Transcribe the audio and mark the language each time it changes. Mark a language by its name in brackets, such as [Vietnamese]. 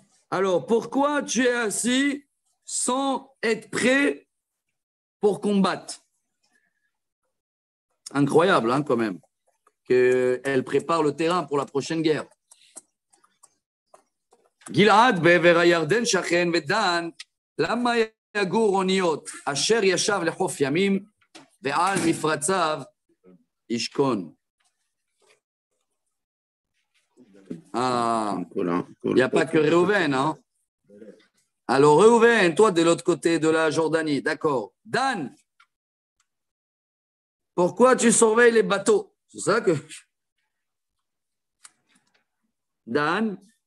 [French] Alors, pourquoi tu es assis sans être prêt pour combattre ? Incroyable, hein, quand même, qu'elle prépare le terrain pour la prochaine guerre. [Hebrew] גלעד בעבר הירדן שכן ודן למה יגור אוניות אשר ישב לחוף ימים ועל מפרציו ישכון. [French] Il y a pas que Réhouven, hein? Alors Réhouven, toi de l'autre côté de la Jordanie, d'accord. Dan, pourquoi tu surveilles les bateaux? C'est ça que Dan.